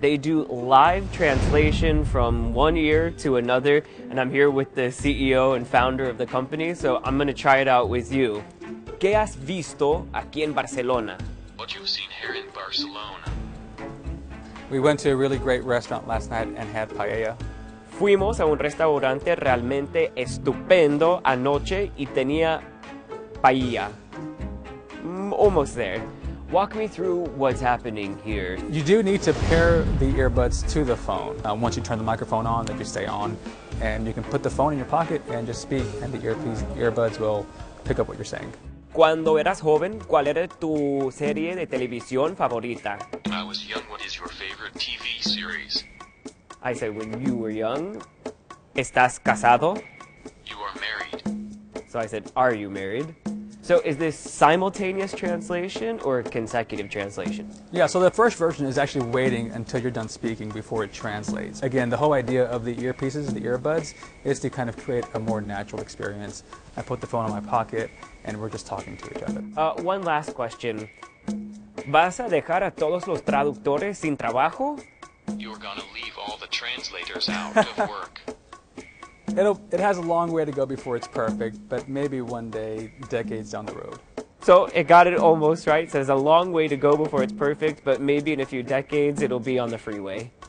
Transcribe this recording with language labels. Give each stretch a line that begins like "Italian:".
English: They do live translation from one ear to another, and I'm here with the CEO and founder of the company, so I'm gonna try it out with you.
Spanish: ¿Qué has visto aquí en Barcelona?
English: What you've seen here in Barcelona. We went to a really great restaurant last night and had paella.
Spanish: Fuimos a un restaurante realmente estupendo anoche y tenía paella.
English: Almost there. Walk me through what's happening here. You do need to pair the earbuds to the phone. Once you turn the microphone on, they just stay on. And you can put the phone in your pocket and just speak, and the earbuds will pick up what you're saying.
Spanish: Cuando eras joven, ¿cuál era tu serie de televisión favorita?
English: When I was young, what is your favorite TV series? I said, when you were young,
Spanish: ¿estás casado?
English: You are married. So I said, are you married? So is this simultaneous translation or consecutive translation? Yeah, so the first version is actually waiting until you're done speaking before it translates. Again, the whole idea of the earpieces, the earbuds, is to kind of create a more natural experience. I put the phone in my pocket and we're just talking to each other. One last question.
Spanish: ¿Vas a dejar a todos los traductores sin trabajo?
English: You're gonna leave all the translators out of work. It has a long way to go before it's perfect, but maybe one day, decades down the road. So it got it almost right. So there's a long way to go before it's perfect, but maybe in a few decades, it'll be on the freeway.